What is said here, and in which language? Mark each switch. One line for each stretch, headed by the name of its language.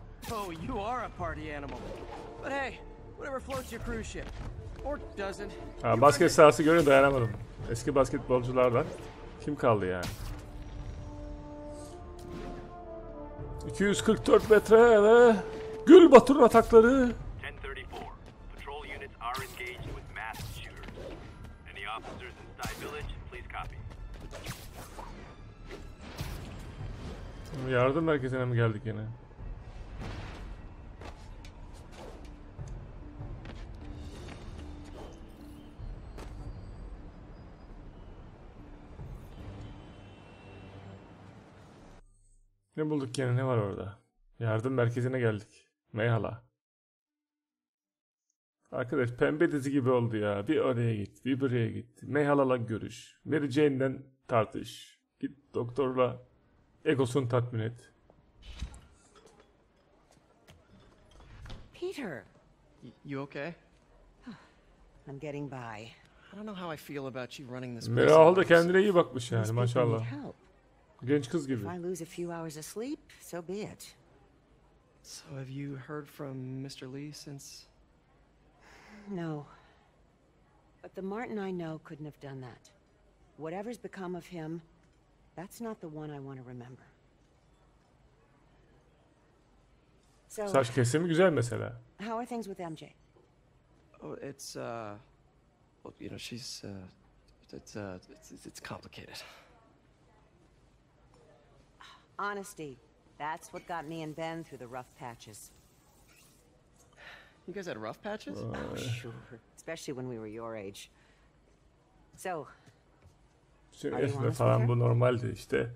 English: Oh, you are a party animal. But hey, whatever floats your cruise ship. Or doesn't.
Turkish: Ha, basket sahası görünce dayanamadım. Eski basketbolculardan kim kaldı yani? 244 metre ve Gül Batur'un atakları. 1034.
English: Patrol units are engaged with mass shooters. Any officers inside village, please copy.
Turkish: Yardım merkezine mi geldik yine? Ne bulduk yine, ne var orada? Yardım merkezine geldik. Meyhala. Arkadaş pembe dizi gibi oldu ya. Bir oraya git, bir buraya git. Meyhala'la görüş. Mary Jane'den tartış. Git doktorla egosunu tatmin et.
English: Peter. You okay? I'm getting by. I don't know how I feel about you running this.
Turkish: Meyhala da kendine iyi bakmış yani, maşallah. Genç kız gibi.
English: If I lose a few hours of sleep, so be it. So have you heard from Mr. Lee since? No. But the Martin I know couldn't have done that. Whatever's become of him, that's not the one I want to remember.
Turkish: So, saç kesimi güzel mesela.
English: How are things with MJ? Oh, it's well, you know, she's it's complicated. Honesty. That's what got me and Ben through the rough patches. You guys had rough patches? Oh, sure. Especially when we were your age. So,
Turkish: aslında falan bu normaldi işte.